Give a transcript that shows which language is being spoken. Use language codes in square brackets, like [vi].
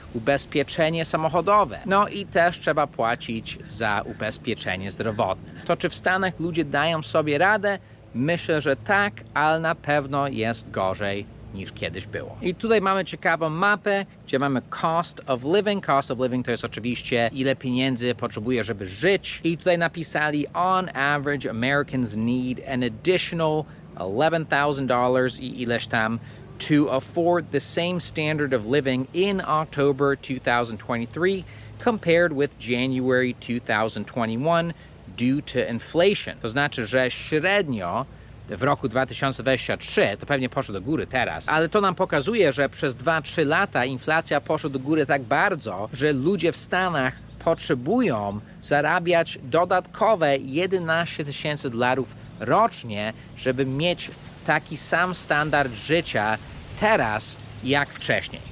[pl] ubezpieczenie samochodowe. No i też trzeba płacić za ubezpieczenie zdrowotne. To czy w Stanach ludzie dają sobie radę? Myślę, że tak, ale na pewno jest gorzej niż kiedyś było. I tutaj mamy ciekawą mapę, gdzie mamy cost of living. Cost of living to jest oczywiście ile pieniędzy potrzebuje, żeby żyć. [en] I tutaj napisali, on average Americans need an additional $11,000 [pl] i ileś tam [en] to afford the same standard of living in October 2023 compared with January 2021 due to inflation. [pl] To znaczy, że średnio w roku 2023, to pewnie poszło do góry teraz, ale to nam pokazuje, że przez 2-3 lata inflacja poszła do góry tak bardzo, że ludzie w Stanach potrzebują zarabiać dodatkowe $11,000 rocznie, żeby mieć taki sam standard życia teraz jak wcześniej.